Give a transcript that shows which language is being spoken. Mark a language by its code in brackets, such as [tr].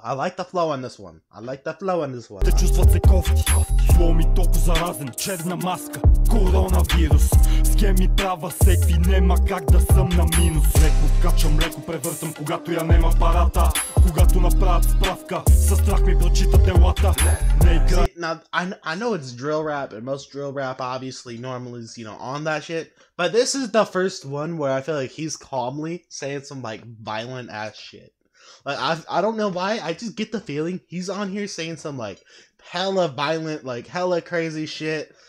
[en] I like the flow on this one. I like the flow on this one. [bg] Те чувстват се кофти. Флоу ми толкова заразен. Черна маска. Коронавирус. Схеми права секви. Нема как да съм на минус. Леко скачам, леко превъртам, когато я нема парата. Когато направят справка, със страх ми прочитат телата. Нека... [en] Now, I know it's drill rap, and most drill rap obviously normally is, you know, on that shit, but this is the first one where I feel like he's calmly saying some, like, violent ass shit. Like, I don't know why, I just get the feeling he's on here saying some, like, hella violent, like, hella crazy shit.